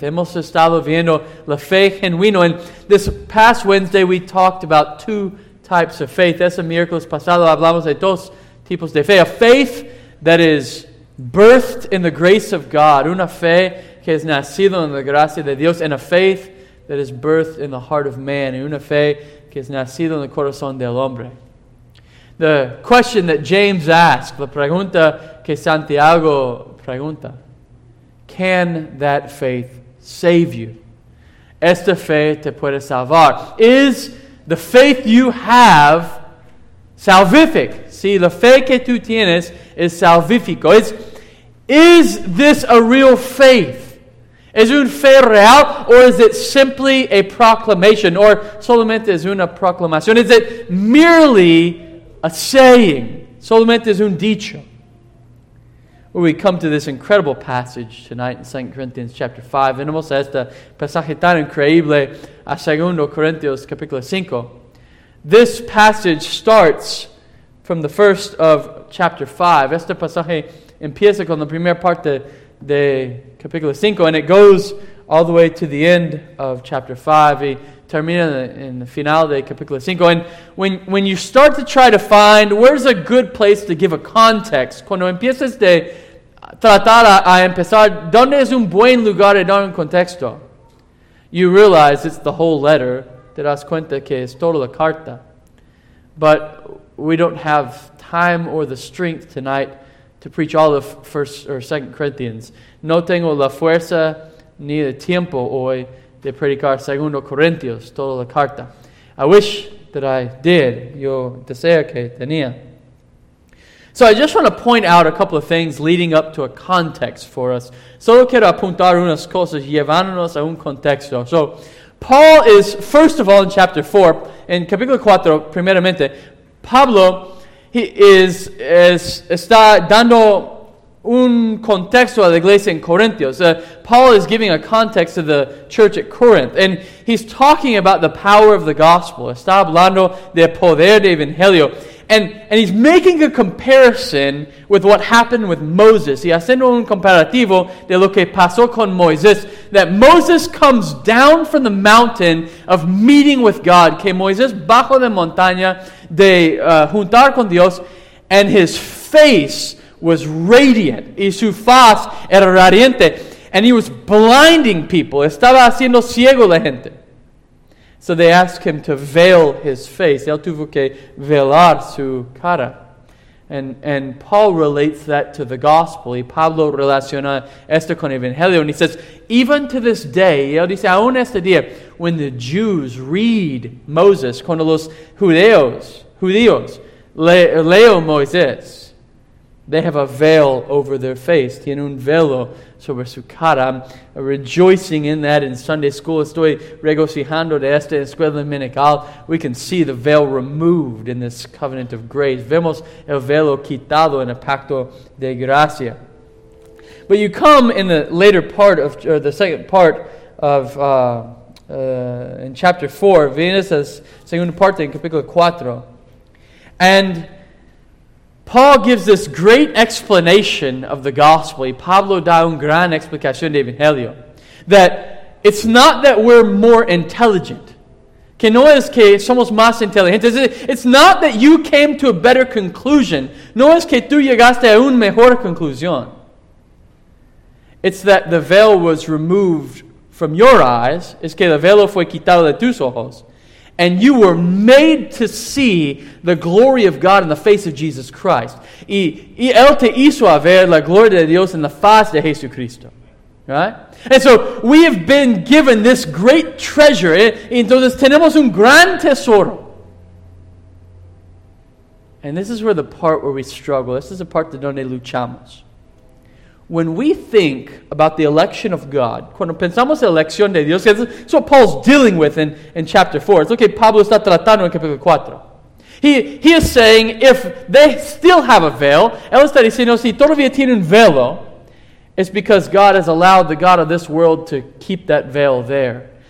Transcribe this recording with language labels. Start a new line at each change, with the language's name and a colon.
Spanish: Hemos estado viendo la fe genuina.
English: And this past Wednesday, we talked about two types of faith.
Spanish: Ese miércoles pasado hablamos de dos tipos de fe.
English: A faith that is birthed in the grace of God.
Spanish: Una fe que es nacido en la gracia de Dios,
English: and a faith that is birthed in the heart of man, and
Spanish: una fe que es nacido en el corazón del hombre.
English: The question that James asked,
Spanish: la pregunta que Santiago pregunta,
English: can that faith save you?
Spanish: Esta fe te puede salvar.
English: Is the faith you have salvific?
Spanish: Si la fe que tú tienes es salvífico.
English: Is this a real faith?
Spanish: ¿Es un fe real,
English: or is it simply a proclamation, or
Spanish: solamente es una proclamación?
English: Is it merely a saying,
Spanish: solamente es un dicho?
English: Where we come to this incredible passage tonight in 2 Corinthians chapter 5.
Spanish: Venimos a este pasaje tan increíble a 2 Corinthians capítulo 5.
English: This passage starts from the first of chapter 5. Este pasaje empieza con la primera parte de capítulo 5 and it goes all the way to the end of chapter 5.
Spanish: Y termina en el final de capítulo 5.
English: And when you start to try to find where's a good place to give a context,
Spanish: cuando empiezas de tratar a empezar, ¿dónde es un buen lugar de dar un contexto?
English: You realize it's the whole letter.
Spanish: Te das cuenta que es toda la carta.
English: But we don't have time or the strength tonight to preach all of 1st or 2nd Corinthians.
Spanish: No tengo la fuerza ni el tiempo hoy de predicar 2 Corintios, toda la carta.
English: I wish that I did.
Spanish: Yo deseo que tenía.
English: So I just want to point out a couple of things leading up to a context for us.
Spanish: Solo quiero apuntar unas cosas llevándonos a un contexto.
English: So Paul is, first of all, in chapter 4, in
Spanish: capítulo 4, primeramente, Pablo, está dando un contexto a la iglesia en Corintios.
English: Paul is giving a context to the church at Corinth. And he's talking about the power of the gospel.
Spanish: Está hablando del poder del evangelio.
English: And he's making a comparison with what happened with Moses.
Spanish: Y haciendo un comparativo de lo que pasó con Moisés.
English: That Moses comes down from the mountain of meeting with God.
Spanish: Que Moisés bajo la montaña de juntar con Dios.
English: And his face was radiant.
Spanish: Y su faz era radiante.
English: And he was blinding people.
Spanish: Estaba haciendo ciego la gente.
English: So they asked him to veil his face.
Spanish: Él tuvo que velar su cara.
English: And Paul relates that to the gospel.
Spanish: Y Pablo relaciona esto con el evangelio.
English: And he says, even to this day,
Spanish: él dice, aún este día,
English: when the Jews read Moses,
Spanish: cuando los judíos leo Moisés,
English: they have a veil over their face.
Spanish: Tiene un velo sobre su cara.
English: I'm rejoicing in that in Sunday school.
Spanish: Estoy regocijando de esta escuela dominical.
English: We can see the veil removed in this covenant of grace.
Spanish: Vemos el velo quitado en el pacto de gracia.
English: But you come in the later part of, or the second part of, in chapter 4. Vienes a segunda parte en capítulo 4. And Paul gives this great explanation of the gospel.
Spanish: Pablo da un gran explicación de Evangelio.
English: That it's not that we're more intelligent.
Spanish: Que no es que somos más inteligentes.
English: It's not that you came to a better conclusion.
Spanish: No es que tú llegaste a una mejor conclusión.
English: It's that the veil was removed from your eyes.
Spanish: Es que el velo fue quitado de tus ojos.
English: And you were made to see the glory of God in the face of Jesus Christ.
Spanish: Y él te hizo a ver la gloria de Dios en la faz de Jesucristo.
English: Right? And so we have been given this great treasure.
Spanish: Entonces tenemos un gran tesoro.
English: And this is where the part where we struggle. This is the part
Spanish: donde luchamos.
English: When we think about the election of God,
Spanish: cuando pensamos en la elección de Dios,
English: that's what Paul's dealing with in chapter 4. It's okay,
Spanish: Pablo está tratando en capítulo 4.
English: He is saying, if they still have a veil,
Spanish: él está diciendo, si todavía tienen un velo,
English: it's because God has allowed the God of this world to keep that veil there.